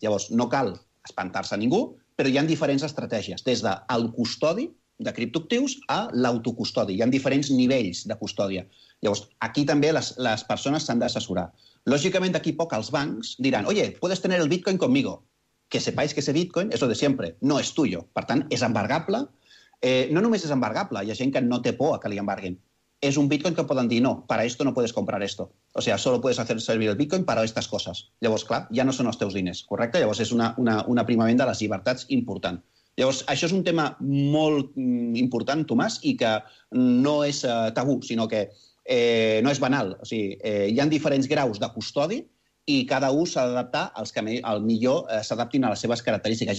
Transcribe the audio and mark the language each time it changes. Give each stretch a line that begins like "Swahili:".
Catalan: Llavors, no cal espantar-se a ningú, però hi ha diferents estratègies, des del custodi de criptoactius a l'autocustodi. Hi ha diferents nivells de custòdia. Llavors, aquí també les persones s'han d'assessorar. Lògicament, d'aquí poc els bancs diran,
Spanish: oye, puedes tener el bitcoin conmigo. Que sepáis que ese bitcoin es lo de siempre, no es tuyo.
Catalan: Per tant, és embargable. No només és embargable, hi ha gent que no té por a que li embarguin. És un bitcoin que poden dir,
Spanish: no, para esto no puedes comprar esto. O sea, solo puedes hacer servir el bitcoin para estas cosas.
Catalan: Llavors, clar, ja no són els teus diners, correcte? Llavors, és un aprimament de les llibertats important. Llavors, això és un tema molt important, Tomàs, i que no és tabú, sinó que no és banal. O sigui, hi ha diferents graus de custodi i cada un s'ha d'adaptar als que al millor s'adaptin a les seves característiques.